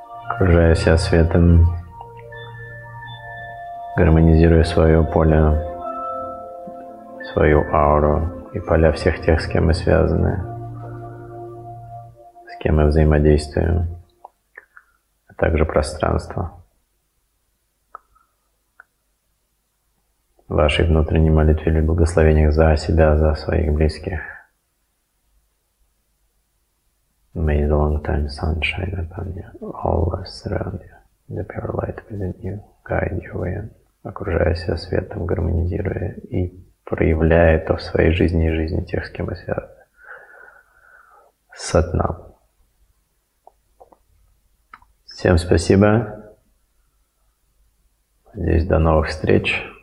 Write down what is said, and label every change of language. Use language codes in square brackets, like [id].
[ru] Окружая себя светом, гармонизируя свое поле, свою ауру и поля всех тех, с кем мы связаны, с кем мы взаимодействуем, а также пространство. В вашей внутренней молитве или благословениях за себя, за своих близких. [en] May the long time sunshine upon you, all that surround you, the pure light within you, guide your way. [ru] Окружая себя светом, гармонизируя и проявляя то в своей жизни и жизни тех, с кем мы связаны. Сатнам. Всем спасибо. Надеюсь, до новых встреч.